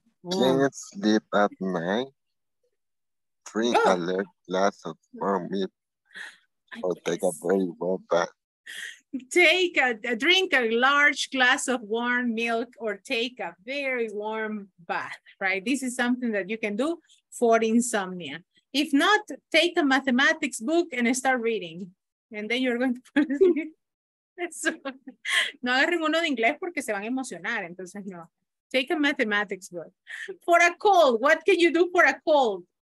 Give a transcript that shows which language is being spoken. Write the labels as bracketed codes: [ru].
[en] Can't sleep at night. drink a large glass of warm milk or take a very warm bath. Drink a large glass of warm milk or take a very warm bath, right? This is something that you can do for insomnia. If not, take a mathematics book and start reading. And then you're going to fall asleep. [es] So, no agarren uno de inglés porque se van a emocionar. Entonces, no. [en] Take a mathematics book. For a cold, what can you do for a cold?